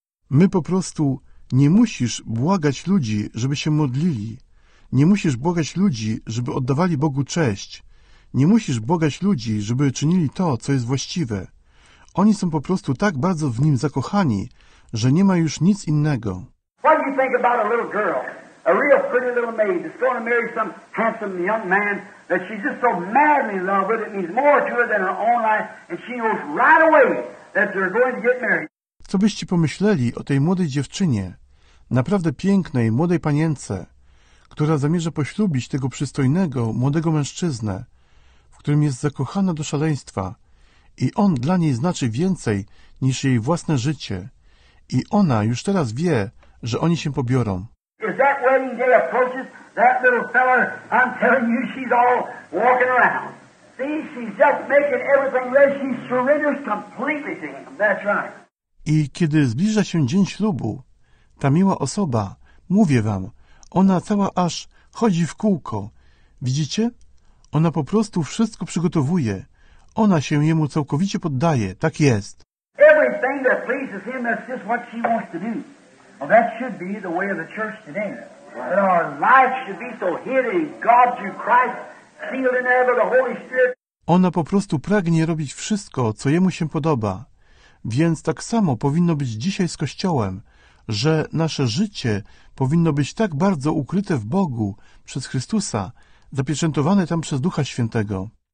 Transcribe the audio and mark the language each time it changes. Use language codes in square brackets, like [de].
[pl] My po prostu nie musisz błagać ludzi, żeby się modlili. Nie musisz błagać ludzi, żeby oddawali Bogu cześć. Nie musisz błagać ludzi, żeby czynili to, co jest właściwe. Oni są po prostu tak bardzo w nim zakochani, że nie ma już nic innego. [en] What do you think about a little girl, a real pretty little maid, that's going to marry some handsome young man, that she's just so madly in love with, it means more to her than her own life, and she knows right away that they're going to get married. [pl] Co byście pomyśleli o tej młodej dziewczynie, naprawdę pięknej, młodej panience, która zamierza poślubić tego przystojnego, młodego mężczyznę, w którym jest zakochana do szaleństwa i on dla niej znaczy więcej niż jej własne życie i ona już teraz wie, że oni się pobiorą. [en] Is that wedding day approaches, that little fella, I'm telling you, she's all walking around. See, she's just making everything ready. She surrenders completely to him. That's right. [pl] I kiedy zbliża się dzień ślubu, ta miła osoba, mówię wam, ona cała aż chodzi w kółko. Widzicie? Ona po prostu wszystko przygotowuje. Ona się jemu całkowicie poddaje. Tak jest. [en] Everything that pleases him, that's just what she wants to do. Well, that should be the way of the church today. That our life should be so hidden in God through Christ, sealed in ever the Holy Spirit. [pl] Ona po prostu pragnie robić wszystko, co jemu się podoba. Więc tak samo powinno być dzisiaj z Kościołem, że nasze życie powinno być tak bardzo ukryte w Bogu przez Chrystusa, zapieczętowane tam przez Ducha Świętego.